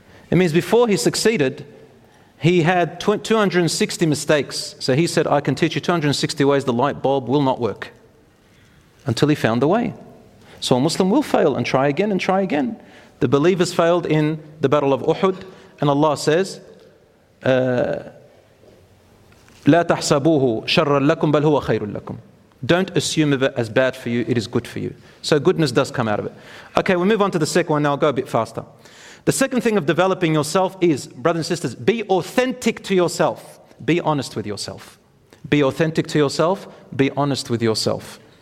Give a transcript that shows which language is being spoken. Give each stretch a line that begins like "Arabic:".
English: It means before he succeeded, he had 260 mistakes. So he said, I can teach you 260 ways the light bulb will not work. Until he found the way. So a Muslim will fail and try again and try again. The believers failed in the Battle of Uhud. And Allah says,
Arabic: لَا تَحْسَبُوهُ شَرًّا لَكُمْ بَلْ هُوَ خَيْرٌ لَكُمْ.
English: Don't assume of it as bad for you, it is good for you. So goodness does come out of it. Okay, we'll move on to the second one now. I'll go a bit faster. The second thing of developing yourself is, brothers and sisters, be authentic to yourself. Be honest with yourself. Be authentic to yourself. Be honest with yourself.